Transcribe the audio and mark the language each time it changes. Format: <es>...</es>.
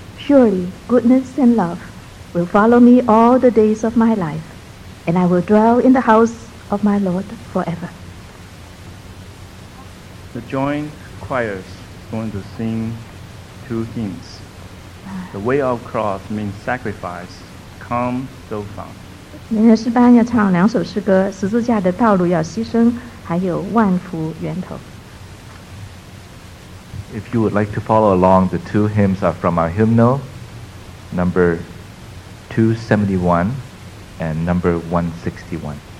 <en>Surely goodness and love will follow me all the days of my life, and I will dwell in the house of my Lord forever. The joint choir is going to sing two hymns. The Way of Cross means sacrifice. Come, so far.</en> <zh>明天诗班要唱两首诗歌, 十字架的道路要牺牲, 还有万福源头。</zh> <en>If you would like to follow along, the two hymns are from our hymnal, number 271 and number 161.</en>